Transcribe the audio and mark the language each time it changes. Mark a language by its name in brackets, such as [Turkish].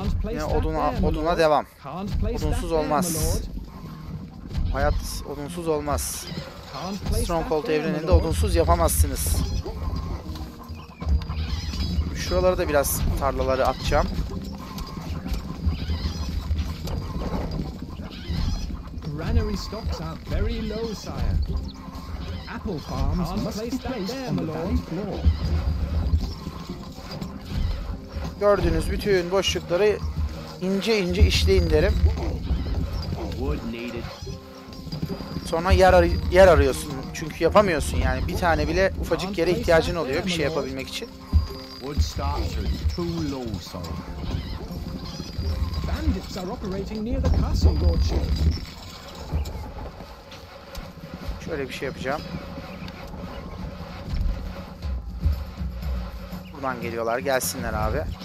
[Turkish] Yine oduna devam. Odunsuz olmaz. Hayat odunsuz olmaz. Stronghold evreninde odunsuz yapamazsınız. Şuralara da biraz tarlaları atacağım. [English] Granary stocks are very low, sire. Apple farms must be placed on the ground floor. [Turkish] Gördüğünüz bütün boşlukları ince ince işleyin derim. Sonra yer arıyorsun. Çünkü yapamıyorsun yani. Bir tane bile ufacık yere ihtiyacın oluyor bir şey yapabilmek için. [English] Wood stocks are too low, sire. Bandits are operating near the castle, lordship. [Turkish] Şöyle bir şey yapacağım. Buradan geliyorlar. Gelsinler abi.